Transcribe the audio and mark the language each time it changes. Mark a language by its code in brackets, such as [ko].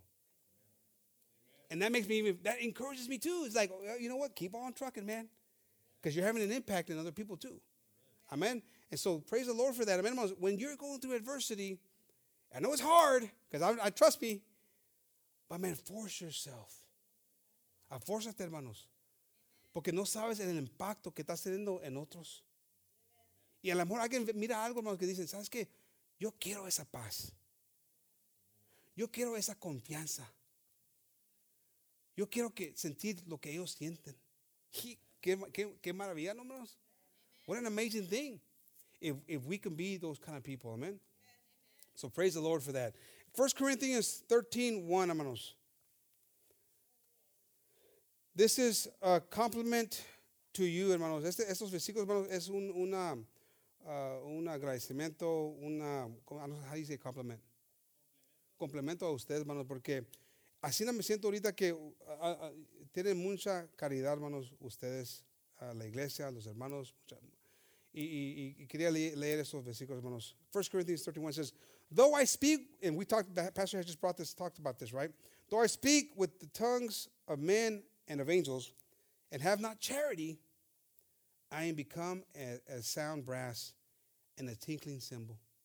[en] Amen. And that makes me even, that encourages me too. It's like, you know what? Keep on trucking, man. Because you're having an impact on other people too. Amen. Amen. And so praise the Lord for that. Amen. When you're going through adversity, I know it's hard, because I trust me, but man, force yourself. [es] Afórzate, hermanos. Porque no sabes el impacto que estás teniendo en otros. Y a lo mejor alguien mira algo, hermanos, que dicen, ¿sabes qué? Yo quiero esa paz. Yo quiero esa confianza. Yo quiero que sentir lo que ellos sienten. Qué maravilla, ¿no, hermanos? [en] What an amazing thing. If we can be those kind of people, amen. So praise the Lord for that. 1 Corinthians 13:1, hermanos. This is a compliment to you, hermanos. [es] Estos versículos, hermanos, es un agradecimiento, una, [en] how do you say compliment? [es] Complemento a ustedes, hermanos, porque así no me siento ahorita que tienen mucha caridad, hermanos, ustedes, la iglesia, los hermanos. Y quería leer estos versículos, hermanos. [en] 1 Corinthians 13:1 says, though I speak, and we talked, Pastor has just brought this, talked about this, right? Though I speak with the tongues of men and of angels and have not charity, I am become a sound brass and a tinkling cymbal.